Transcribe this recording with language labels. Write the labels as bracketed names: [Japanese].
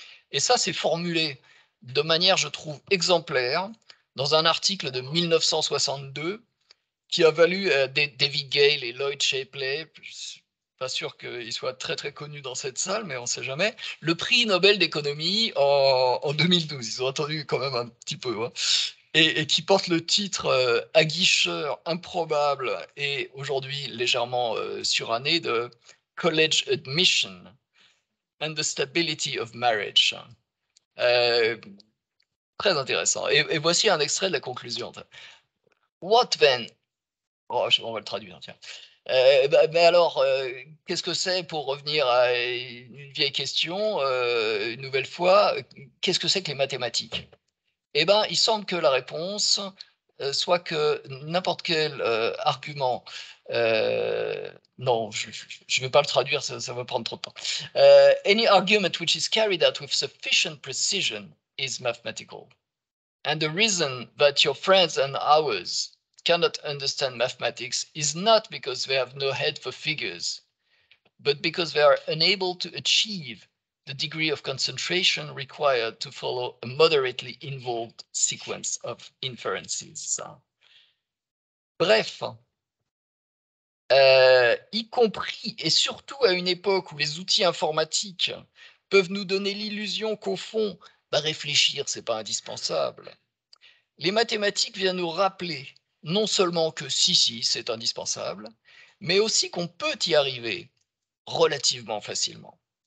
[French] Et ça, c'est formulé de manière, je trouve, exemplaire dans un article de 1962 qui a valu à David Gale et Lloyd Shapley, pas sûr qu'ils soient très très connus dans cette salle, mais on ne sait jamais, le prix Nobel d'économie en 2012. Ils ont attendu quand même un petit peu. Et qui porte le titre aguicheur, improbable et aujourd'hui légèrement suranné de « [English] College Admission ». and the Stability of Marriage. [French] Très intéressant. Et voici un extrait de la conclusion. [English] What then? [French] Oh, on va le traduire, tiens. Qu'est-ce que c'est, pour revenir à une vieille question, une nouvelle fois, qu'est-ce que c'est que les mathématiques? Eh bien, il semble que la réponse soit que n'importe quel argument... Je ne vais pas le traduire, ça va prendre trop de temps. [English] Any argument which is carried out with sufficient precision is mathematical. And the reason that your friends and ours cannot understand mathematics is not because they have no head for figures, but because they are unable to achieve the degree of concentration required to follow a moderately involved sequence of inferences. [French] Bref, y compris et surtout à une époque où les outils informatiques peuvent nous donner l'illusion qu'au fond, réfléchir, ce n'est pas indispensable. Les mathématiques viennent nous rappeler non seulement que si, c'est indispensable, mais aussi qu'on peut y arriver relativement facilement.